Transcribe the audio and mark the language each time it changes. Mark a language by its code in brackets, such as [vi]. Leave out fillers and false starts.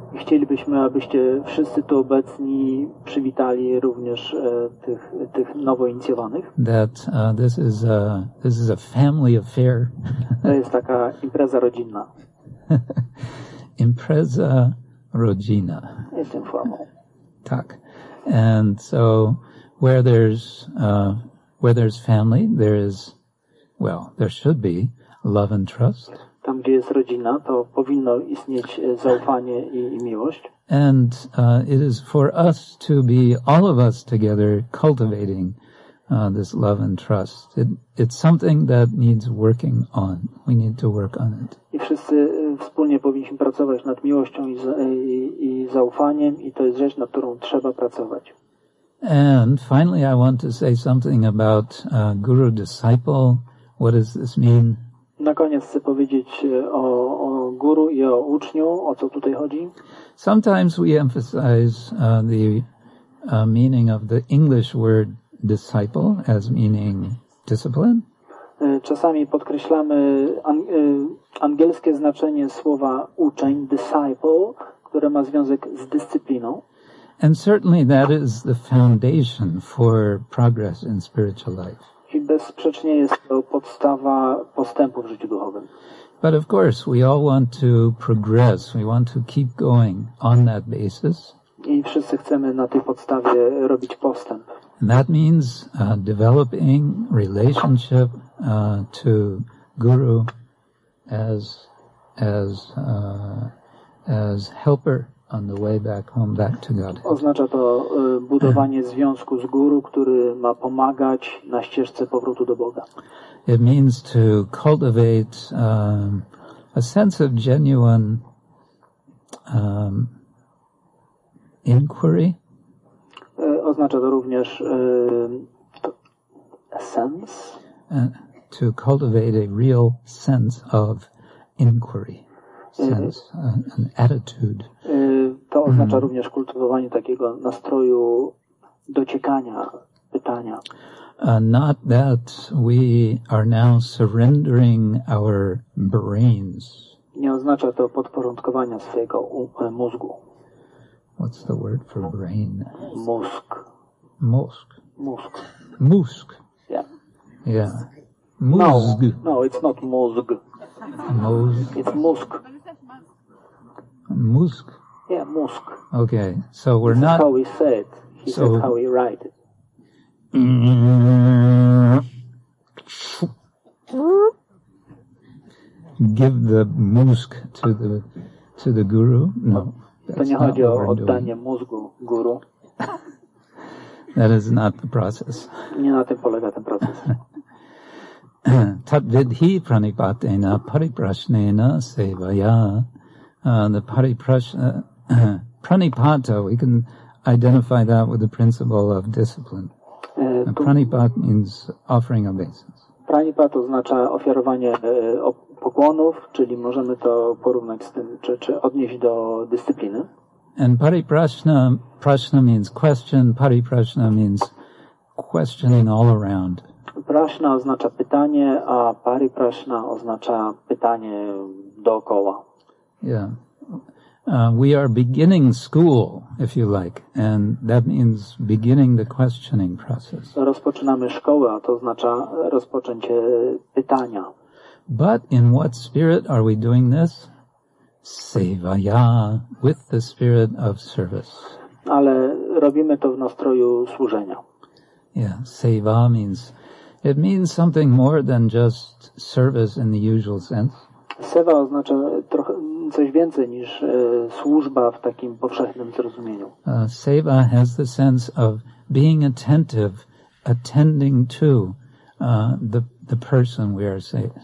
[pl] Chcielibyśmy, abyście wszyscy tu obecni przywitali również tych nowoinicjowanych. [en] That this is a family affair. [pl] To jest taka impreza rodzinna. Impreza rodzina. Jest informal. Tak. [en] And so where there's family, there should be love and trust. Tam, gdzie jest rodzina, to powinno istnieć zaufanie i miłość. And it is for us to be, all of us together, cultivating this love and trust. It's something that needs working on. We need to work on it. [pl] I wszyscy wspólnie powinniśmy pracować nad miłością i zaufaniem, i to jest rzecz, nad którą trzeba pracować. [en] And finally, I want to say something about guru-disciple. What does this mean? [pl] Na koniec chcę powiedzieć o guru i o uczniu, o co tutaj chodzi. [en] Sometimes we emphasize meaning of the English word disciple as meaning discipline. [pl] Czasami podkreślamy angielskie znaczenie słowa uczeń, disciple, które ma związek z dyscypliną. [en] And certainly that is the foundation for progress in spiritual life. [pl] I bezsprzecznie jest to podstawa postępu w życiu duchowym. [en] But of course, we all want to progress. We want to keep going on that basis. [pl] I wszyscy chcemy na tej podstawie robić postęp. [en] And that means developing relationship to guru as helper on the way back home, back to God. [pl] Oznacza to budowanie związku z guru, który ma pomagać na ścieżce powrotu do Boga. [en] It means to cultivate a sense of genuine inquiry. [pl] Oznacza to również sense. [en] To cultivate a real sense of inquiry. Sense, an attitude. [pl] To oznacza również kultywowanie takiego nastroju dociekania, pytania. [en] Not that we are now surrendering our brains. [pl] Nie oznacza to podporządkowania swojego mózgu. [en] What's the word for brain? [pl] Mózg. Mózg. Mózg. Mózg. [en] Yeah. Yeah. Mózg. No, it's not mózg. Mózg. It's mózg. Musk. Yeah, musk. Okay, so we're not. That's how we say it. He said how we write it. Give the musk to the guru. No, that's not what we're doing. [pl] Mózgu, guru. [en] That is not the process. [pl] Nie na tym polega ten proces. [sa] Tat vidhi pranipatena pariprasnena sevaya. [en] The pranipata, we can identify that with the principle of discipline. Pranipat means offering obeisance. [pl] Pranipat oznacza ofiarowanie pokłonów, czyli możemy to porównać z tym, czy odnieść do dyscypliny. [en] And pariprasna, prasna means question, pariprasna means questioning all around. [pl] Prasna oznacza pytanie, a pariprasna oznacza pytanie dookoła. [en] Yeah. We are beginning school, if you like, and that means beginning the questioning process. [pl] Rozpoczynamy szkołę, a to oznacza rozpoczęcie pytania. [en] But in what spirit are we doing this? Sevaya, with the spirit of service. [pl] Ale robimy to w nastroju służenia. [en] Yeah, seva means, it means something more than just service in the usual sense. [pl] Seva oznacza trochę coś więcej niż służba w takim powszechnym zrozumieniu. [en] Seva has the sense of being attentive, attending to the person we are serving.